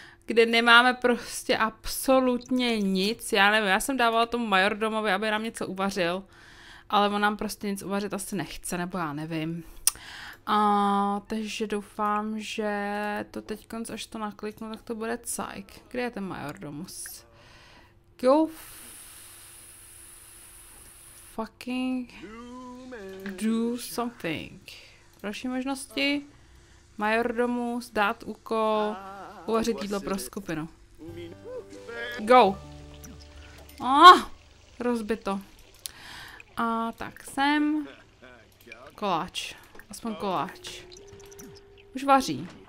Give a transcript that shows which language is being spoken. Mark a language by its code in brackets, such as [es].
[cs] Kde nemáme prostě absolutně nic, já nevím, já jsem dávala tomu majordomovi, aby nám něco uvařil, ale on nám prostě nic uvařit asi nechce, nebo já nevím. Takže doufám, že to teďkonc, až to nakliknu, tak to bude cajk. Kde je ten majordomus? [en] Go fucking do something. [cs] Další možnosti? Majordomus, dát úkol. Uvařit jídlo pro skupinu. [en] Go! [cs] Rozbito. A tak sem. Koláč. Aspoň koláč. Už vaří.